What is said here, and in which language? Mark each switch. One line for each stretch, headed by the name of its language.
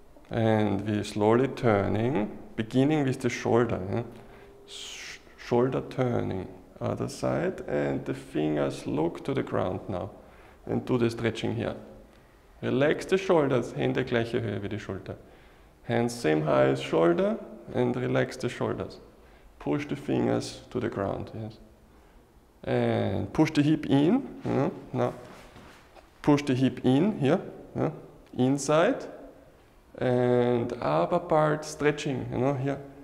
English: And we're slowly turning, beginning with the shoulder. Shoulder turning, other side, and the fingers look to the ground now and do the stretching here. Relax the shoulders,
German: Hände gleiche Höhe wie die Schulter.
English: Hands same high as shoulder and relax the shoulders. Push the fingers to the ground, yes. And push the hip in, now. Push the hip in here, inside. And upper part stretching, here.